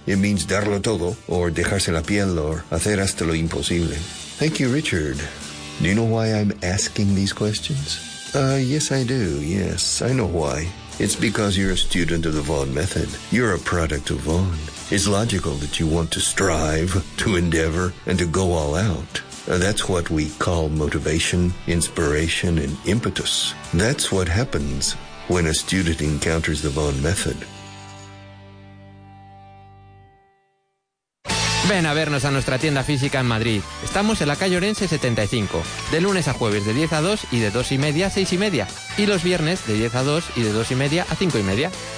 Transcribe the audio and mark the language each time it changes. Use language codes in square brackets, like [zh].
[en] It means [es] darlo todo, [en] or [es] dejarse la piel, [en] or [es] hacer hasta lo imposible. [en] Thank you, Richard. Do you know why I'm asking these questions? Yes, I do. Yes, I know why. It's because you're a student of the Vaughan Method. You're a product of Vaughan. It's logical that you want to strive, to endeavor, and to go all out. That's what we call motivation, inspiration, and impetus. That's what happens when a student encounters the Vaughan Method. [es] Ven a vernos a nuestra tienda física en Madrid. Estamos en la calle Orense 75, de lunes a jueves de 10 a 2 y de 2 y media a 6 y media. Y los viernes de 10 a 2 y de 2 y media a 5 y media.